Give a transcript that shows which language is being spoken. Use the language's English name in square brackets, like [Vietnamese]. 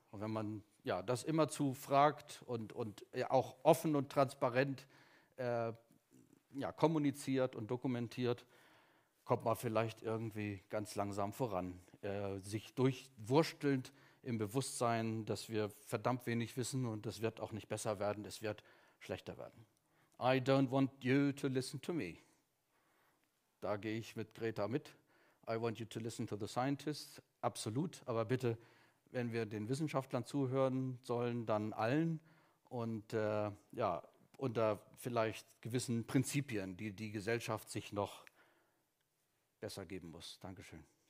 [German] Und wenn man das immerzu fragt und auch offen und transparent kommuniziert und dokumentiert, kommt man vielleicht irgendwie ganz langsam voran. Sich durchwurstelnd im Bewusstsein, dass wir verdammt wenig wissen und es wird auch nicht besser werden, es wird schlechter werden. [English] I don't want you to listen to me. [German] Da gehe ich mit Greta mit. [English] I want you to listen to the scientists. [German] Absolut, aber bitte, wenn wir den Wissenschaftlern zuhören sollen, dann allen und unter vielleicht gewissen Prinzipien, die die Gesellschaft sich noch besser geben muss. Dankeschön.